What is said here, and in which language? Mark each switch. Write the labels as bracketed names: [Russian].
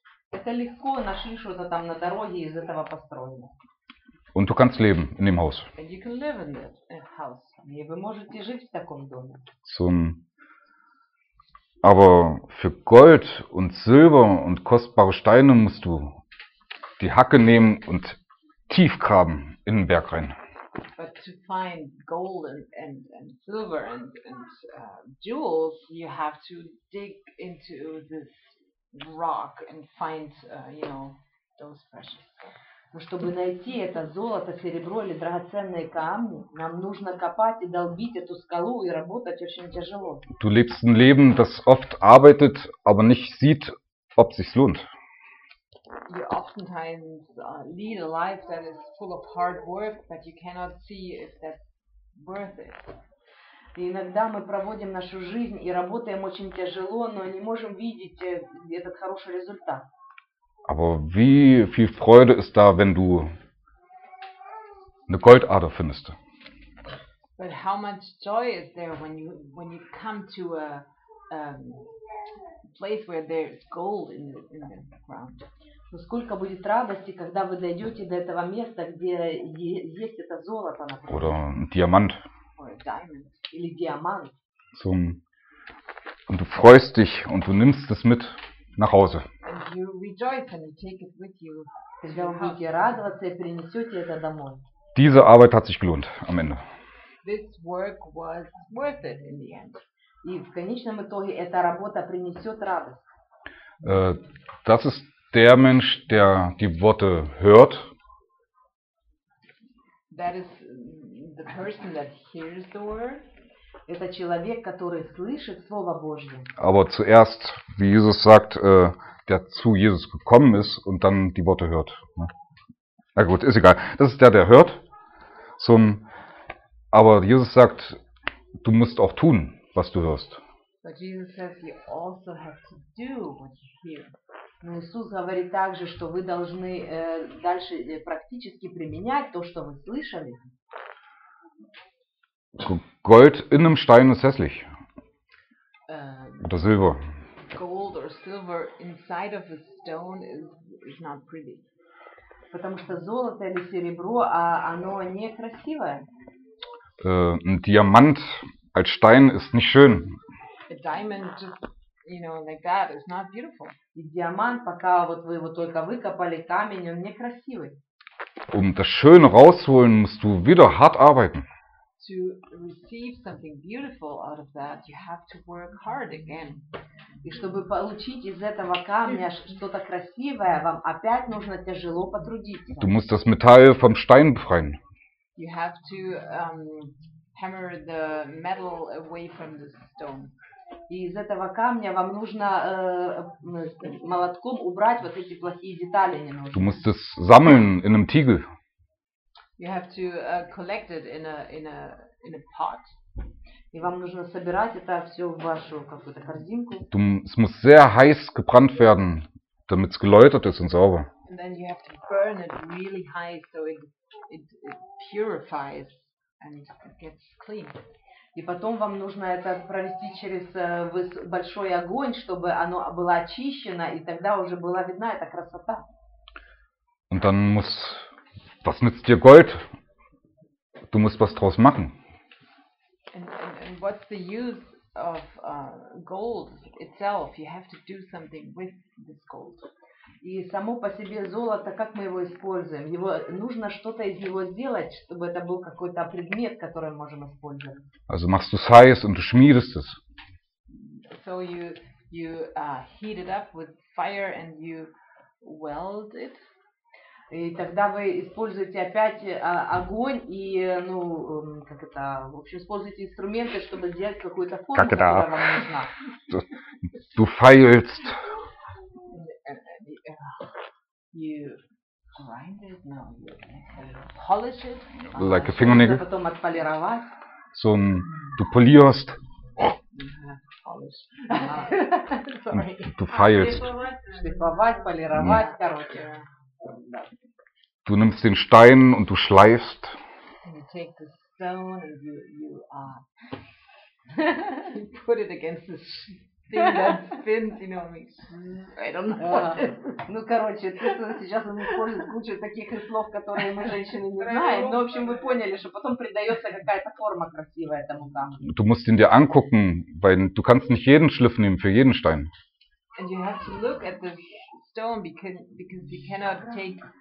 [Russian] Это легко, нашли что-то там на дороге из этого построено. [German] Und du kannst leben in dem Haus. [English] And you can live in that house. [Russian] И вы можете жить в таком доме. [German] Aber für Gold und Silber und kostbare Steine musst du die Hacke nehmen und tief graben in den Berg rein. [English] But to find gold and silver and jewels, you have to dig into this rock and find, you know, those precious stuff. [Russian] Чтобы найти это золото, серебро или драгоценные камни, нам нужно копать и долбить эту скалу и работать очень тяжело. [German] Du lebst ein Leben, das oft arbeitet, aber nicht sieht, ob es sich lohnt. [English] You oftentimes lead a life that is full of hard work, but you cannot see if that's worth it. [Russian] И иногда мы проводим нашу жизнь и работаем очень тяжело, но не можем видеть этот хороший результат. [German] Aber wie viel Freude ist da, wenn du eine Goldader findest? [English] But how much joy is there when you come to a place where there's gold in the ground? [Russian] Сколько будет радости, когда вы дойдете до этого места, где есть это золото, например. [German] Oder ein Diamant. [English] Or a diamond. [Russian] Или диамант. [German] Und du freust dich und du nimmst es mit nach Hause. [English] And you rejoice and you take it with you. [Russian] Когда вы будете радоваться и принесете это домой. [German] Diese Arbeit hat sich gelohnt am Ende. [English] This work was worth it in the end. [Russian] И в конечном итоге эта работа принесет радость. [German] Das ist Der Mensch, der die Worte hört, [English] that is the person that hears the word. [Russian] Это человек, который слышит слово Божье. [German] Aber zuerst, wie Jesus sagt, der zu Jesus gekommen ist und dann die Worte hört. Na gut, ist egal. Das ist der, der hört. Aber Jesus sagt, du musst auch tun, was du hörst. [English] But Jesus says you also have to do what you hear. [Russian] Но Иисус говорит также, что вы должны дальше практически применять то, что вы слышали. [German] Gold in einem Stein ist hässlich. Oder Silber. [English] Gold or silver inside of a stone is not pretty. [Russian] Потому что золото или серебро, оно не красивое. [German] Ein Diamant als Stein ist nicht schön. [English] A diamond, just, you know, like that is not beautiful. [Russian] И диамант, пока вот вы его только выкопали, камень, он не красивый. [German] Um das Schöne rauszuholen, musst du wieder hart arbeiten. [English] To receive something beautiful out of that, you have to work hard again. [Russian] И чтобы получить из этого камня что-то красивое, вам опять нужно тяжело потрудиться. [German] Du musst das Metall vom Stein befreien. [English] You have to hammer the metal away from the stone. [Russian] И из этого камня вам нужно молотком убрать вот эти плохие детали. [German] Du musst es sammeln in einem Tiegel. [English] You have to collect it in a pot. [Russian] И вам нужно собирать это все в вашу какую-то корзинку. [German] Es muss sehr heiß gebrannt werden, damit es geläutert ist und sauber. [English] And then you have to burn it really high so it purifies and it gets clean. [Russian] И потом вам нужно это провести через большой огонь, чтобы оно было очищено, и тогда уже была видна эта красота. [German] Und dann muss Was nützt dir Gold? Du musst was draus machen. [English] And what's the use of gold itself? You have to do something with this gold. [Russian] И само по себе золото, как мы его используем? Его нужно что-то из него сделать, чтобы это был какой-то предмет, который мы можем использовать. [German] Also machst du es heiß und du schmiedest es. [English] So you heat it up with fire and you weld it. [Russian] И тогда вы используете опять огонь и, ну, как это, в общем, используете инструменты, чтобы сделать какую-то форму, как которая вам нужна. [German] Du feilst. [English] You grind it, no, you polish it. Like a fingernail. [Russian] Потом отполировать. [German] So, du polierst. [English] Polish. [German] Du feilst. [Russian] Шлифовать, полировать, короче. [German] Du nimmst den Stein und du schleifst. [English] And you take the stone and you put it against the thing that spins, you know, I don't know. [Russian] Ну, короче, сейчас он использует кучу таких слов, которые мы, женщины, не знаем. Ну, в общем, вы поняли, что потом придается какая-то форма красивая этому камню. [German] Du musst ihn dir angucken, weil du kannst nicht jeden Schliff nehmen für jeden Stein. [English] And you have to look at the stone because you cannot take